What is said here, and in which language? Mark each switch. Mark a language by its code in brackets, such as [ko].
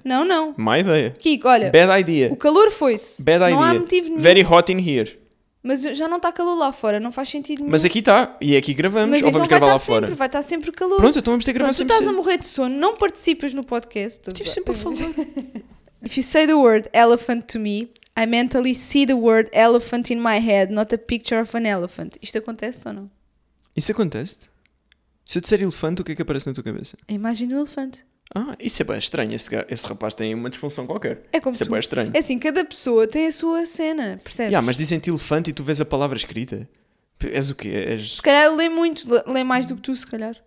[pt] Não, não. Má ideia. Kiko, olha. [en] Bad idea. [pt] O calor foi-se. [en] Bad [pt] não [en] idea. [pt] Não há motivo nenhum. [en] Very hot in here. [pt] Mas já não está calor lá fora, não faz sentido nenhum. Mas aqui está, e aqui gravamos. Mas ou então vamos gravar vai lá fora. Sempre, vai estar sempre calor. Pronto, então vamos ter que gravar. Pronto, sempre tu estás a morrer de sono, não participas no podcast. Estive sempre a falar. [en] If you say the word elephant to me, I mentally see the word elephant in my head, not a picture of an elephant. [pt] Isto acontece ou não? Isso acontece? Se eu disser elefante, o que é que aparece na tua cabeça? A imagem do elefante. Ah, isso é bem estranho. Esse rapaz tem uma disfunção qualquer. É como isso tu. É bem estranho. É assim, cada pessoa tem a sua cena, percebes? Yeah, mas dizem-te elefante e tu vês a palavra escrita. És o quê? És... Se calhar lê muito, lê mais do que tu, se calhar.